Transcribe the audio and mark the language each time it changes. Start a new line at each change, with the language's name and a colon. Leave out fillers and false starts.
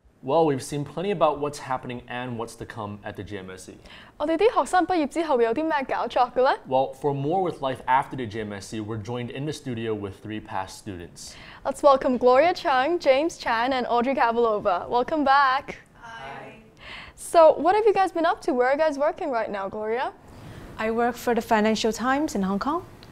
English: Well, we've seen plenty about what's happening and what's to come at the JMSC.
Cantonese: 我哋啲學生畢業之後會有啲咩搞作嘅咧？
English: Well, for more with life after the JMSC, we're joined in the studio with three past students. Let's welcome Gloria Chung, James Chan, and Audrey Kavalova. Welcome back. Hi. So, what have you guys been up to? Where are you guys working right now, Gloria? I work for the Financial Times in Hong Kong.